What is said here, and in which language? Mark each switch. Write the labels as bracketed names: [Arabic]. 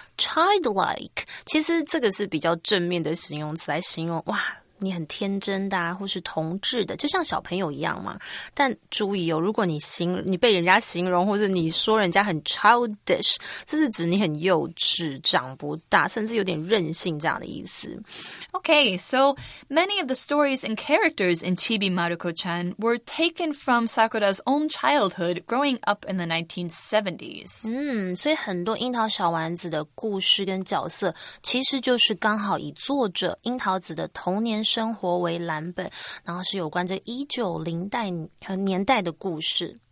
[Chinese] Childlike, 其实这个是比较正面的形容词来形容哇你很天真的、啊、或是童稚的就像小朋友一样嘛。但注意哦如果你被人家形容或是你说人家很 childish, 这是指你很幼稚长不大甚至有点任性这样的意思。 [English] Okay, so many of the stories and characters in Chibi Maruko-chan were taken from Sakura's own childhood growing up in the 1970s. [Chinese] 所以很多樱桃小丸子的故事跟角色其实就是刚好以作者樱桃子的童年生活为蓝本，然后是有关这1900年代的故事。